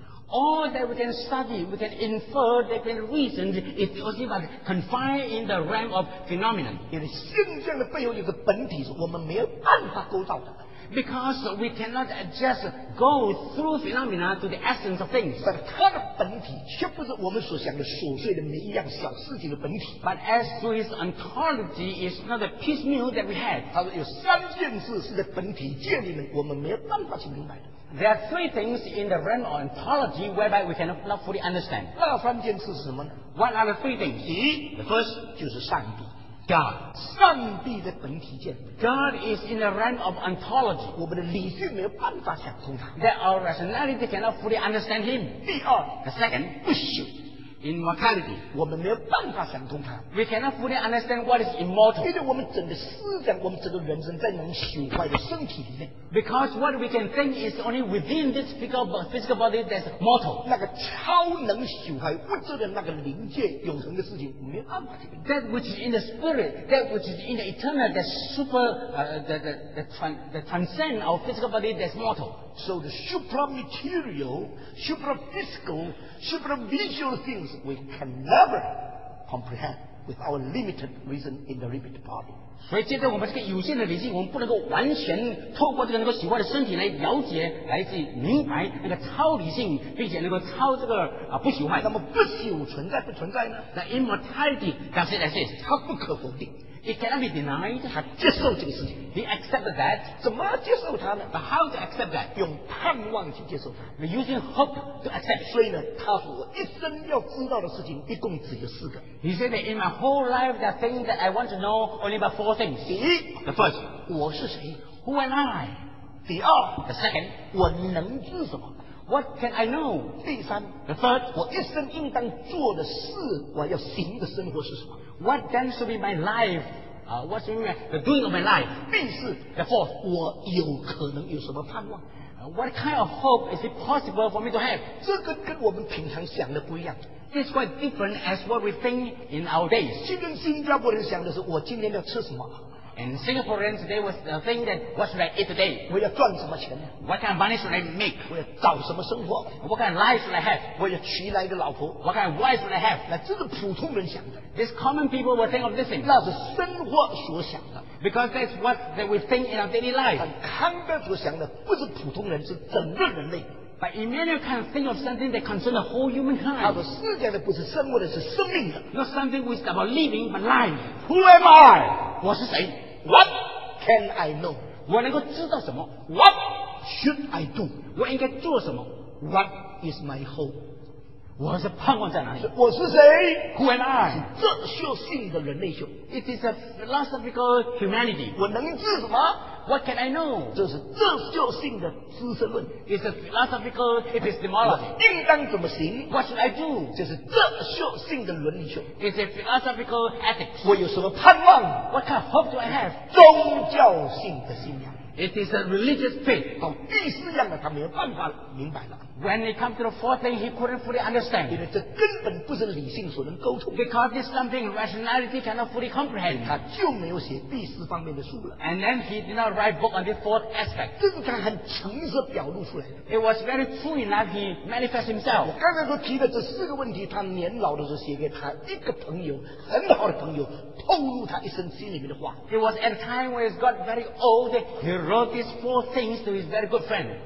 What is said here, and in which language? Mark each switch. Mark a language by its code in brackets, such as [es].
[en] All that we can study, we can infer, that can reason, is only but confined in the realm of phenomenon. [zh] 因为现象的背后有个本体，是我们没有办法够到的。 [en] Because we cannot just go through phenomena to the essence of things. [zh] But 它的本体却不是我们所想的琐碎的每一样小事情的本体。 [en] But as to its ontology, it's not a piecemeal that we had. [zh] 它说有三件事是在本体界里面我们没有办法去明白的。 [en] There are three things in the realm of ontology whereby we cannot not fully understand. [zh] 那三件事是什么呢？ [en] What are the three things? [zh] 第一， [en] the first [zh] 就是上帝。 [en] God. [zh] 上帝的本体界。 [en] God is in the realm of ontology. [zh] 我们的理性没有办法想通他。 [en] That our rationality cannot fully understand him. [zh] 第二， [en] the second [zh] 不朽。 [en] Immortality. [zh] 我们没有办法想通他。 [en] We cannot fully understand what is immortal. [zh] 因为我们整个思想，我们整个人生在我们朽坏的身体里面。 [en] Because what we can think is only within this physical body that's mortal. [zh] 那个超能朽坏物质的那个灵界永恒的事情，我们没有办法。 [en] That which is in the spirit, that which is in the eternal, that super, the transcend our physical body that's mortal. So the supramaterial, superphysical, supervisual things we can never comprehend with our limited reason in the limited body. [zh] 所以，借着我们这个有限的理性，我们不能够完全透过这个能够喜欢的身体来了解、来去明白那个超理性，并且能够超这个啊不朽坏。那么不朽存在不存在呢？ [en] The immortality does it exist? [zh] 它不可否定。 [en] It cannot be denied. [zh] 他接受这个事情。 [en] He accepted that. [zh] 怎么接受他呢？ [en] But how to accept that? [zh] 用盼望去接受他。 [en] We're using hope to accept. [zh] 所以呢，他说我一生要知道的事情一共只有四个。 [en] He said that in my whole life, the thing that I want to know only about four things. [zh] 第一， [en] the first, [zh] 我是谁？ [en] Who am I? [zh] 第二， [en] the second, [zh] 我能知什么？ [en] What can I know? [zh] 第三， [en] the third, [zh] 我一生应当做的事，我要行的生活是什么？ [en] What then should be my life? What should be the doing of my life? [zh] 并是 [en] the fourth, [zh] 我有可能有什么盼望？ [en] What kind of hope is it possible for me to have? [zh] 这个跟我们平常想的不一样。 [en] It's quite different as what we think in our days. [zh] 今天新加坡人想的是我今天要吃什么？ [en] And Singaporeans, they was the thing that what should I eat today? [zh] 我要赚什么钱？ [en] What kind of money should I make? [zh] 我要找什么生活？ [en] What kind of life should I have? [zh] 我要娶哪一个老婆？ [en] What kind of wife should I have? [zh] 那这是普通人想的。 [en] These common people will think of this thing. [zh] 那是生活所想的。 [en] Because that's what that we think in our daily life. [zh] 但康德所想的不是普通人，是整个人类。 [en] But Emmanuel can think of something that concerns the whole humankind. [zh] 他说世界的不是生活的，是生命的。 [en] Not something which is about living, but life. Who am I? [zh] 我是谁？ [en] What can I know? [zh] 我能够知道什么？ [en] What should I do? [zh] 我应该做什么？ [en] What is my hope? [zh] 我是盼望在哪里？我是谁？ [en] Who am I? [zh] 哲学性的人类学。 [en] It is a philosophical humanity. [zh] 我能知什么？ [en] What can I know? [zh] 这是哲学性的知识论。 [en] It's a philosophical epistemology. [zh] 我应当怎么行？ [en] What should I do? [zh] 这是哲学性的伦理学。 [en] It's a philosophical ethics. [zh] 我有什么盼望？ [en] What kind of hope do I have? [zh] 宗教性的信仰。 [en] It is a religious faith. [zh] 到第四样了，他没有办法明白了。 [en] When it comes to the fourth thing, he couldn't fully understand. [zh] 因为这根本不是理性所能沟通。 [en] Because this something rationality cannot fully comprehend. [zh] 他就没有写第四方面的书了。 [en] And then he did not write book on this fourth aspect. [zh] 这是他很诚实表露出来的。 [en] It was very true enough he manifested himself. [zh] 我刚才都提的这四个问题，他年老的时候写给他一个朋友，很好的朋友，透露他一生心里面的话。 [en] It was at a time when he got very old, he wrote these four things to his very good friend.